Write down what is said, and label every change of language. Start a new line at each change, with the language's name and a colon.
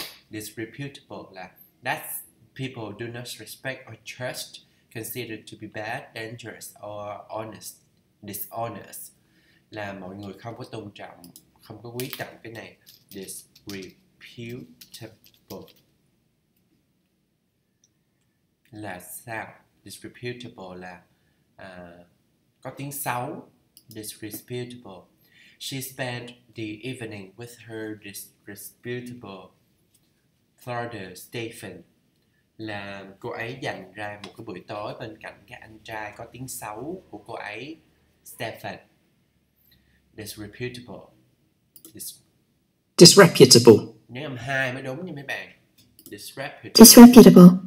English: disreputable, là that people do not respect or trust, considered to be bad, dangerous, or honest, dishonest.
Vietnamese: Là mọi người không có tôn trọng, không có quý trọng cái này.
English: Disreputable.
Vietnamese: Là sao? Disreputable là có tiếng xấu.
English: Disreputable. She spent the evening with her disreputable father, Stephen.
Vietnamese: Là cô ấy dành ra một cái buổi tối bên cạnh cái anh trai có tiếng xấu của cô ấy, Stephen.
English: Disreputable. Disreputable.
Vietnamese: Nếu âm hai mới đúng nha mấy bạn.
English: Disreputable. Disreputable.